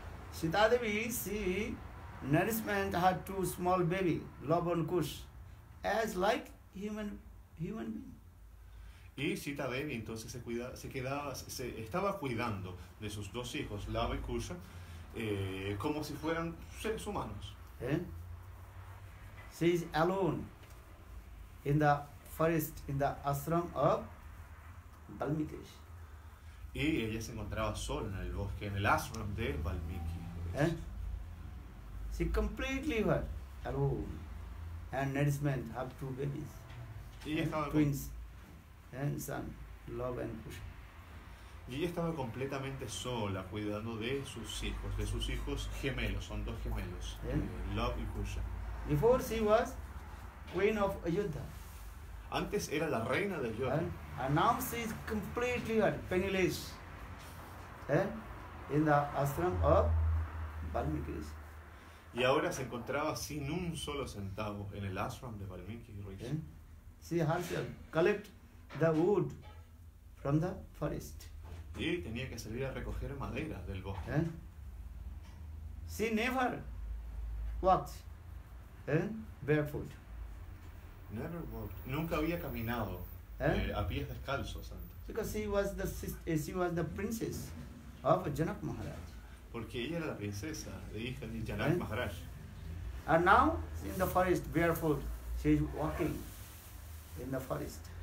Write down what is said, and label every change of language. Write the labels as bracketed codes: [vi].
[en] Sita Devi, she nourishment had two small baby, Lob and Kush, as like human being. [es] Y Sita Devi entonces estaba cuidando de sus dos hijos, Lava y Kusha, como si fueran seres humanos. [en] She is alone in the forest, in the ashram of Valmiki. [es] Y ella se encontraba sola en el bosque, en el ashram de Valmiki. [en] She completely was alone, and nourishment had two babies, twins. And son, Love and Kusha. [es] Y ella estaba completamente sola cuidando de sus hijos gemelos, son dos gemelos, Love y Kusha. [en] Before she was queen of Ayodhya. [es] Antes era la reina de Ayodhya. [en] And now she is completely penniless in the ashram of Valmiki. [es] Y ahora se encontraba sin un solo centavo en el ashram de Valmiki. [en] She has to collect the wood from the forest. [es] Y tenía que salir a recoger madera del bosque. [en] She never walked barefoot. Never walked. [es] Nunca había caminado a pies descalzos antes. [en] Because she was the princess of Janak Maharaj. [es] Porque ella era la princesa de hija de Janak Maharaj. [en] And now in the forest barefoot, she is walking in the forest.